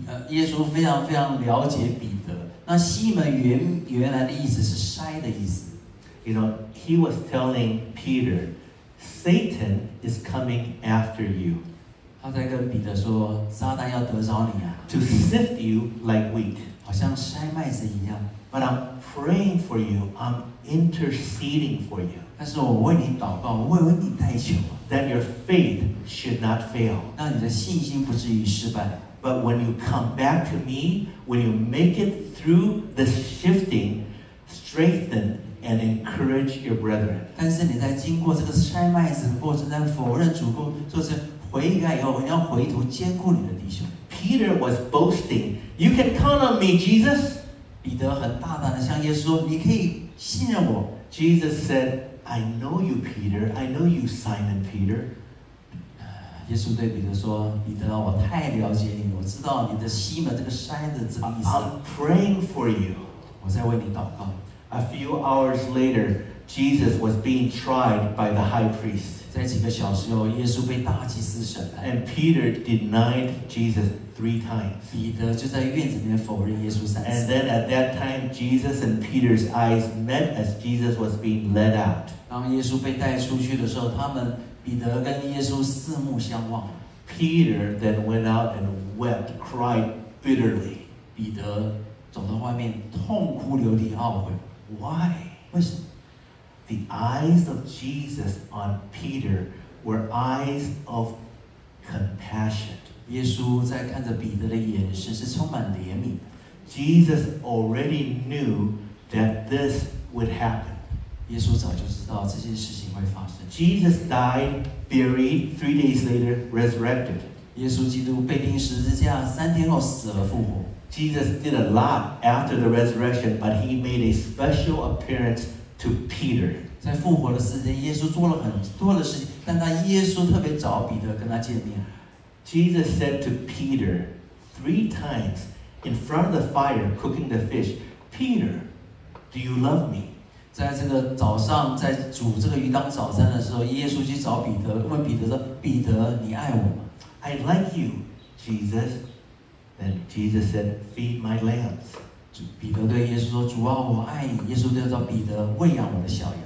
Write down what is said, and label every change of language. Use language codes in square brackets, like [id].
[zh] 耶稣非常非常了解彼得。那西门原来的意思是筛的意思。 [en] You know, he was telling Peter, Satan is coming after you. [zh] 他在跟彼得说，撒旦要得着你啊。 [en] To sift you like wheat, [zh] 好像筛麦子一样。 [en] But I'm praying for you. I'm interceding for you. [zh] 但是我为你祷告，我为你代求。 [en] That your faith should not fail. [zh] 让你的信心不至于失败。 [en] But when you come back to me, when you make it through the shifting, strengthen and encourage your brethren. [zh] 但是你在经过这个筛麦子的过程，在否认主后，就是悔改以后，你要回头坚固你的弟兄。 [en] Peter was boasting. You can count on me, Jesus. [zh] 彼得很大胆地向耶稣说，你可以信任我。 [en] Jesus said. I know you, Peter. I know you, Simon Peter. [zh] 耶稣对彼得说：“彼得，我太了解你，我知道你的西门这个筛子这个意思。” [en] I'm praying for you. [zh] 我在为你祷告。 [en] A few hours later, Jesus was being tried by the high priest. [zh] 在几个小时后，耶稣被大祭司审判。 [en] And Peter denied Jesus three times. [zh] 彼得就在院子里面否认耶稣三次。 [en] And then at that time, Jesus and Peter's eyes met as Jesus was being led out. [zh] 当耶稣被带出去的时候，他们彼得跟耶稣四目相望。 [en] Peter then went out and wept, cried bitterly. [zh] 彼得走到外面痛哭流涕懊悔。 [en] Why? [zh] 为什么？ [en] The eyes of Jesus on Peter were eyes of compassion. [zh] 耶稣在看着彼得的眼神是充满怜悯。 [en] Jesus already knew that this would happen. [zh] 耶稣早就知道这件事情会发生。 [en] Jesus died, buried, 3 days later, resurrected. [zh] 耶稣基督被钉十字架，三天后死了复活。 [en] Jesus did a lot after the resurrection, but he made a special appearance. To Peter. [zh] 在复活的时间，耶稣做了很多的事情，但耶稣特别找彼得跟他见面。 [en] Jesus said to Peter three times in front of the fire cooking the fish, Peter, do you love me? [zh] 在这个早上在煮这个鱼当早餐的时候，耶稣去找彼得，问彼得说：“彼得，你爱我吗？” [en] I like you, Jesus. Then Jesus said, "Feed my lambs." [zh] 彼得对耶稣说：“主啊，我爱你。” 耶稣就叫彼得喂养我的小羊。